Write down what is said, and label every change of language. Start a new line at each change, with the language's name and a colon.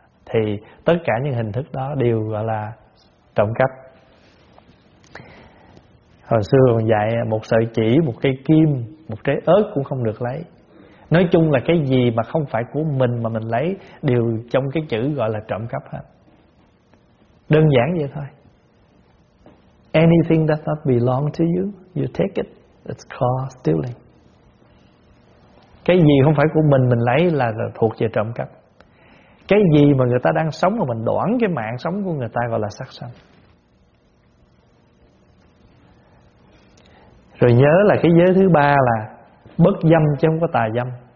Vietnamese: Thì tất cả những hình thức đó đều gọi là trộm cắp. Hồi xưa còn dạy một sợi chỉ, một cây kim, một trái ớt cũng không được lấy. Nói chung là cái gì mà không phải của mình mà mình lấy đều trong cái chữ gọi là trộm cắp hết. Đơn giản vậy thôi.
English: Anything that does not belong to you, you take it, it's called stealing.
Vietnamese: Cái gì không phải của mình lấy là thuộc về trộm cắp. Cái gì mà người ta đang sống mà mình đoản cái mạng sống của người ta gọi là sát sanh. Rồi nhớ là cái giới thứ ba là bất dâm chứ không có tà dâm.